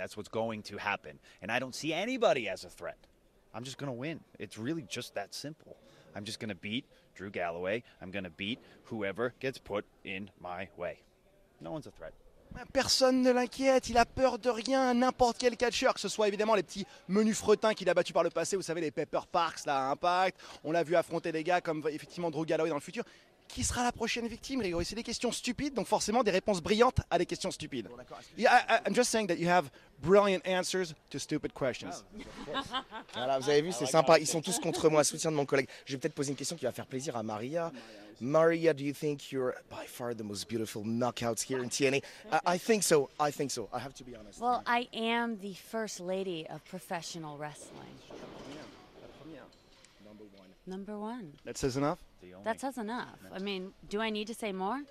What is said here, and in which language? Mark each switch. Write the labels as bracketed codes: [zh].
[en] That's what's going to happen. And I don't see anybody as a threat. I'm just going to win. It's really just that simple. I'm just going to beat Drew Galloway. I'm going to beat whoever gets put in my way. No one's a threat. [fr] Personne ne l'inquiète, il a peur de rien, n'importe quel catcheur, que ce soit évidemment les petits menus fretins qu'il a battus par le passé, vous savez, les Pepper Parks, là, Impact, on l'a vu affronter des gars comme effectivement Drew Galloway dans le futur. Qui sera la prochaine victime, Grégory? C'est des questions stupides, donc forcément des réponses brillantes à des questions stupides. Bon, d'accord, [en] yeah, I'm just saying that you have brilliant answers to stupid questions. [fr] Oh, voilà, vous avez vu, c'est sympa, ils sont tous contre moi, soutien de mon collègue. Je vais peut-être poser une question qui va faire plaisir à Maria. [en] Maria, do you think you're by far the most beautiful knockouts here in TNA? I think so. I have to be honest. Well, I am the first lady of professional wrestling. Number one. That says enough? That says enough. I mean, do I need to say more?